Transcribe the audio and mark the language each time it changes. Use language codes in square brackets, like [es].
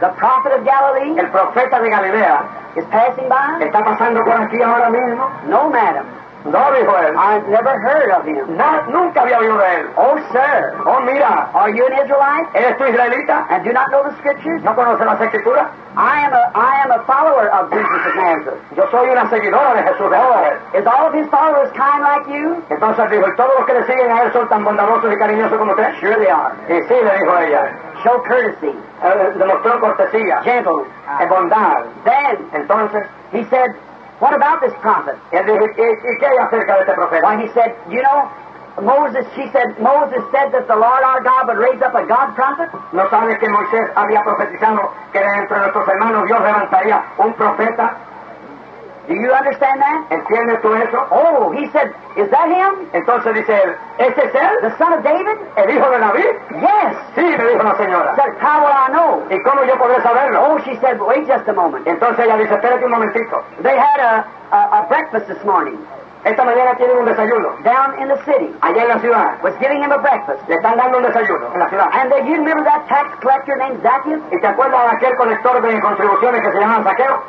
[en] the prophet of Galilee, [es] el profeta de Galilea, [en] is passing by? [es] ¿Está pasando por aquí ahora mismo? [en] No, madam. Not I've never heard of him. [es] Nunca había oído de él. [en] Oh, sir. [es] Oh, mira. [en] Are you an Israelite? [es] ¿Eres tú israelita? [en] And do not know the scriptures? [es] ¿No conoces las escrituras? [en] I am a follower of Jesus of Nazareth. [es] Yo soy una seguidora de Jesús de Nazaret. [en] Is all of his followers kind like you? [es] Entonces dijo, ¿todos los que le siguen a él son tan bondadosos y cariñosos como usted? [en] Sure they are. [es] Y sí, le dijo ella. [en] Show courtesy. [es] Demostró cortesía. [en] Gentle. [es] Y bondad. [en] Then. [es] Entonces. [en] He said, what about this prophet? [es] ¿Y qué hay acerca de este profeta? [en] Why, he said, you know, Moses, she said, Moses said that the Lord our God would raise up a God prophet? [es] ¿No sabes que Moisés había profetizado que entre nuestros hermanos Dios levantaría un profeta? [en] Do you understand that? [es] ¿Entiendes tú eso? [en] Oh, he said, is that him? [es] Entonces dice él, ¿ese es él? [en] The son of David? [es] ¿El hijo de David? [en] Yes. [es] Sí, me dijo la señora. [en] Said, how will I know? [es] ¿Y cómo yo podré saberlo? [en] Oh, she said, wait just a moment. [es] Entonces ella dice, espérate un momentito. [en] They had a breakfast this morning. [es] Esta mañana tienen un desayuno. [en] Down in the city. [es] Allá en la ciudad. [en] Was giving him a breakfast. [es] Le están dando un desayuno en la ciudad. [en] And you remember that tax collector named Zacchaeus? [es] ¿Y te acuerdas de aquel colector de contribuciones que se llamaba Zaqueo?